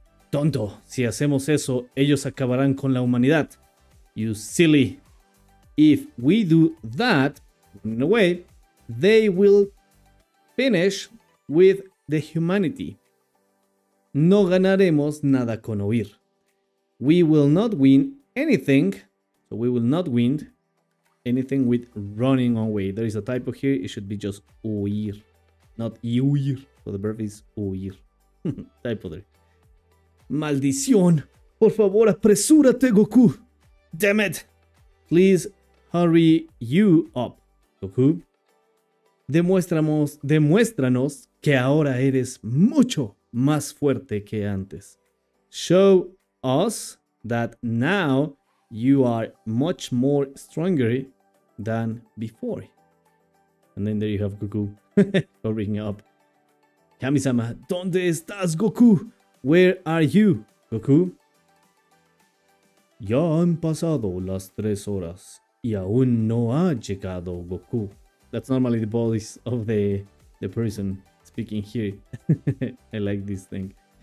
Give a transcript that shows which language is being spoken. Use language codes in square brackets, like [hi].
[es] Tonto, si hacemos eso, ellos acabarán con la humanidad. [en] You silly. If we do that, in a way, they will finish with the humanity. [es] No ganaremos nada con huir. [en] We will not win anything. So we will not win anything with running away. There is a typo here. It should be just huir, not huir. So the verb is huir. Typo there. [es] Maldición. Por favor, apresúrate, Goku. [en] Damn it. Please hurry you up, Goku. [es] Demuéstranos que ahora eres mucho más fuerte que antes. [en] Show us that now you are much more stronger than before. And then there you have Goku hurrying up. [es] Kami-sama, ¿dónde estás, Goku? [en] Where are you, Goku? [es] Ya han pasado las 3 horas y aún no ha llegado, Goku. [en] That's normally the voice of the person speaking here. I like this thing.